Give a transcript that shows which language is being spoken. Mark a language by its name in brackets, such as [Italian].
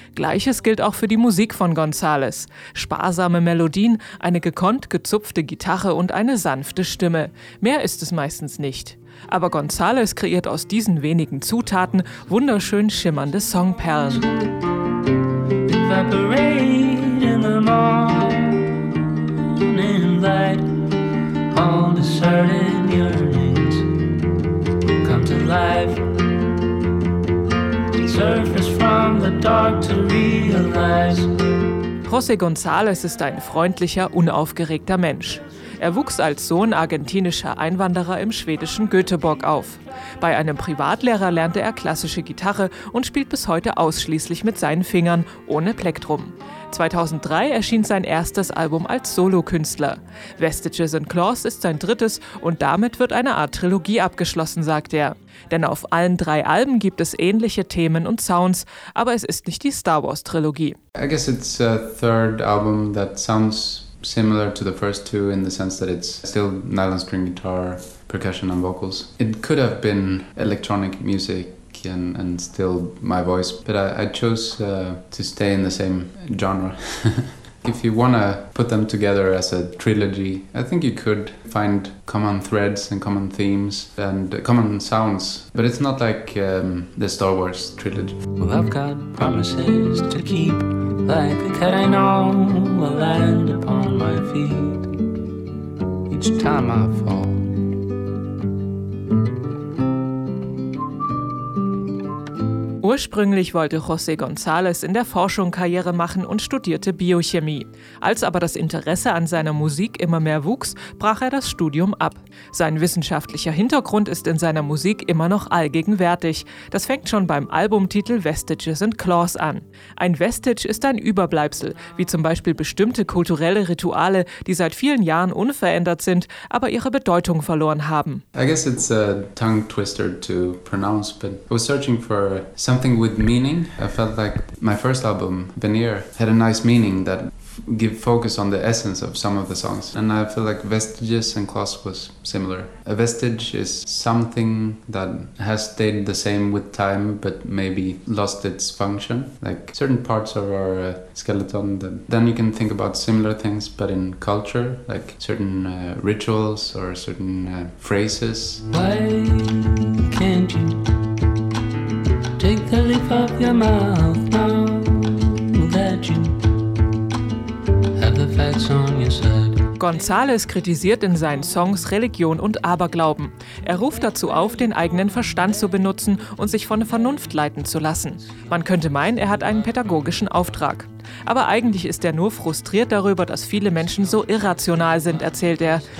[German] Gleiches gilt auch für die Musik von González. Sparsame Melodien, eine gekonnt gezupfte Gitarre und eine sanfte Stimme. Mehr ist es meistens nicht. Aber González kreiert aus diesen wenigen Zutaten wunderschön schimmernde Songperlen. [English] Evaporate in the morning light, all discerning yearnings come to life, surface from the dark to realize. [German] José González ist ein freundlicher, unaufgeregter Mensch. Er wuchs als Sohn argentinischer Einwanderer im schwedischen Göteborg auf. Bei einem Privatlehrer lernte er klassische Gitarre und spielt bis heute ausschließlich mit seinen Fingern, ohne Plektrum. 2003 erschien sein erstes Album als Solokünstler. Vestiges and Claws ist sein drittes und damit wird eine Art Trilogie abgeschlossen, sagt er. Denn auf allen drei Alben gibt es ähnliche Themen und Sounds, aber es ist nicht die Star Wars Trilogie. [English] I guess it's a third album that sounds similar to the first two in the sense that it's still nylon string guitar, percussion and vocals. It could have been electronic music and still my voice, but I chose to stay in the same genre. If you want to put them together as a trilogy, I think you could find common threads and common themes and common sounds, but it's not like the Star Wars trilogy. Well, I've got promises to keep, like a cat I know will land upon my feet each time I fall. [German] Ursprünglich wollte José González in der Forschung Karriere machen und studierte Biochemie. Als aber das Interesse an seiner Musik immer mehr wuchs, brach er das Studium ab. Sein wissenschaftlicher Hintergrund ist in seiner Musik immer noch allgegenwärtig. Das fängt schon beim Albumtitel Vestiges and Claws an. Ein Vestige ist ein Überbleibsel, wie zum Beispiel bestimmte kulturelle Rituale, die seit vielen Jahren unverändert sind, aber ihre Bedeutung verloren haben. [English] I guess it's a tongue twister to pronounce, but I was searching for something with meaning. I felt like my first album, Veneer, had a nice meaning that give focus on the essence of some of the songs. And I feel like Vestiges and Claws was similar. A vestige is something that has stayed the same with time, but maybe lost its function. Like certain parts of our skeleton, then you can think about similar things, but in culture, like certain rituals or certain phrases. Why can't you take the leaf off your mouth now that you have the facts on your side? [German] González kritisiert in seinen Songs Religion und Aberglauben. Er ruft dazu auf, den eigenen Verstand zu benutzen und sich von der Vernunft leiten zu lassen. Man könnte meinen, er hat einen pädagogischen Auftrag. Aber eigentlich ist er nur frustriert darüber, dass viele Menschen so irrational sind, erzählt er.